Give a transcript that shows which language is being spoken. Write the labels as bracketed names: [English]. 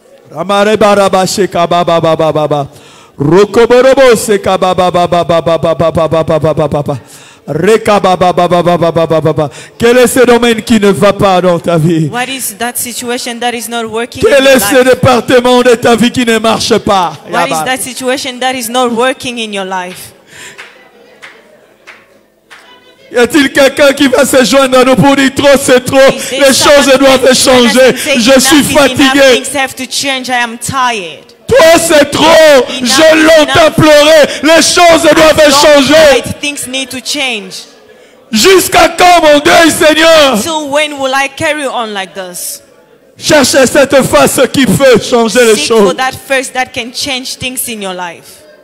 [French] Ramare baraba sheka baba baba baba. Rokoborobo sheka baba baba baba baba baba baba baba baba. Quel est ce domaine qui ne va pas dans ta vie? [English] What is that situation that is not working? [French] Quel est ce département de ta vie qui ne marche pas? [English] What is that situation that is not working in your life? [French] Y a-t-il quelqu'un qui va se joindre à nous pour dire trop, c'est trop? Les choses doivent changer. Je suis fatigué. [English] Things have to change. I am tired. [French] Toi, c'est trop. J'ai longtemps pleuré. Les choses doivent changer. [English] Things need to change. [French] Jusqu'à quand, mon Dieu, Seigneur? [English] Until when will I carry on like this? [French] Cherchez cette face qui peut changer les choses. [English] Seek for that face that can change things in your life.